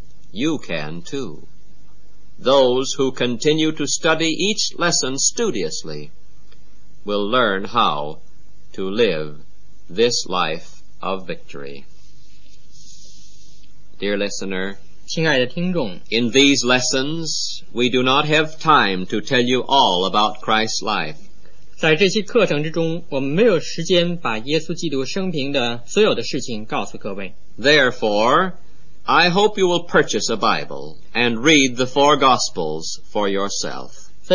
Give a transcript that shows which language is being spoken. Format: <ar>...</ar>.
<en>You can too. Those who continue to study each lesson studiously will learn how to live this life of victory. Dear listener,</en> <zh>亲爱的听众,</zh> <en>in these lessons, we do not have time to tell you all about Christ's life.</en> <zh>在这些课程之中, 我们没有时间把耶稣基督生平的所有的事情告诉各位。</zh> <en>Therefore, I hope you will purchase a Bible and read the four Gospels for yourself.</en>